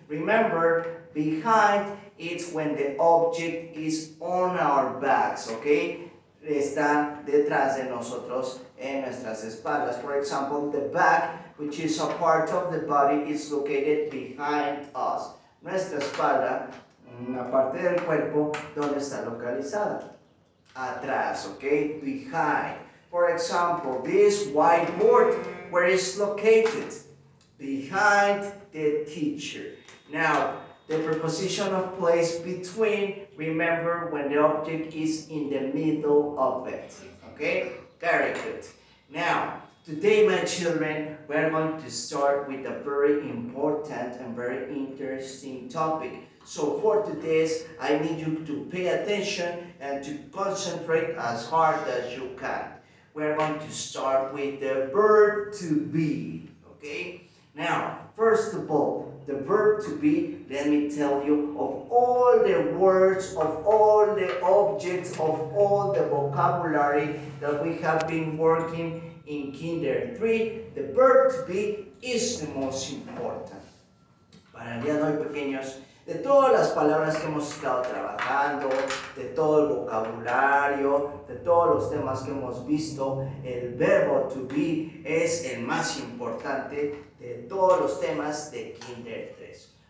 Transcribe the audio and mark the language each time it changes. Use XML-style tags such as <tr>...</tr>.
<en>Remember, behind is when the object is on our backs, okay?</en> <es>Está detrás de nosotros en nuestras espaldas.</es> <en>For example, the back, which is a part of the body, is located behind us.</en> <es>Nuestra espalda, una parte del cuerpo, ¿dónde está localizada?</es> <en>Atrás, okay? Behind. For example, this whiteboard, where is located? Behind the teacher. Now, the preposition of place between, remember when the object is in the middle of it. Okay? Very good. Now, today, my children, we're going to start with a very important and very interesting topic. So for today's, I need you to pay attention and to concentrate as hard as you can. We're going to start with the verb to be. Okay? Now, first of all, the verb to be, let me tell you, of all the words, of all the objects, of all the vocabulary that we have been working in Kinder 3, the verb to be is the most important.</en> <es>Para el día de hoy, pequeños, de todas las palabras que hemos estado trabajando, de todo el vocabulario, de todos los temas que hemos visto, el verbo to be es el más importante de todos los temas de Kinder 3.</es>